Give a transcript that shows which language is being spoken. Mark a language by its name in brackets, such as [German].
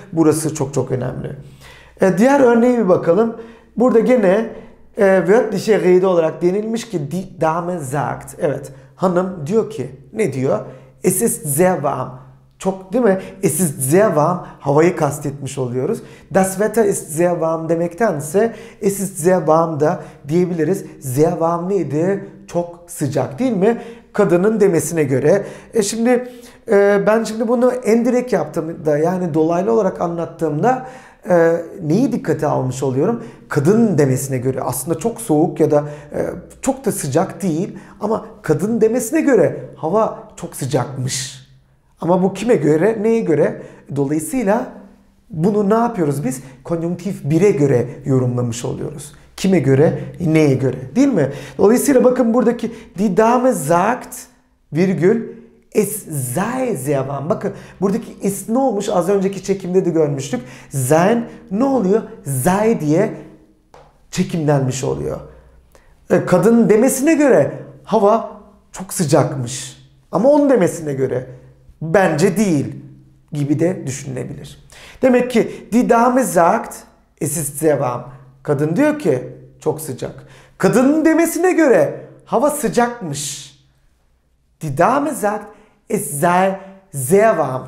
[Turkish] Burası çok çok önemli. Diğer örneğe bir bakalım. Burada gene wörtliche Rede olarak denilmiş ki [German] die Dame sagt. [Turkish] Evet, hanım diyor ki ne diyor? [German] Es ist sehr warm. [Turkish] Çok değil mi? [German] Es ist sehr warm. [Turkish] Havayı kastetmiş oluyoruz. [German] Das Wetter ist sehr warm [Turkish] demektense [German] es ist sehr warm [Turkish] da diyebiliriz. [German] Sehr warm [Turkish] neydi? Çok sıcak değil mi? Kadının demesine göre. Şimdi ben şimdi bunu endirekt yaptığımda yani dolaylı olarak anlattığımda neyi dikkate almış oluyorum? Kadın demesine göre aslında çok soğuk ya da çok da sıcak değil. Ama kadın demesine göre hava çok sıcakmış. Ama bu kime göre, neye göre? Dolayısıyla bunu ne yapıyoruz biz? Konjunktif 1'e göre yorumlamış oluyoruz. Kime göre, neye göre değil mi? Dolayısıyla bakın buradaki [German] die Dame sagt, [Turkish] virgül, [German] es sei sehr warm. [Turkish] Bakın buradaki es ne olmuş? Az önceki çekimde de görmüştük. Sein ne oluyor? Sei diye çekimlenmiş oluyor. Kadının demesine göre hava çok sıcakmış. Ama onun demesine göre bence değil gibi de düşünülebilir. Demek ki [German] die Dame sagt, es ist sehr warm. [Turkish] Kadın diyor ki çok sıcak. Kadının demesine göre hava sıcakmış. [German] Die Dame sagt, es sei sehr warm.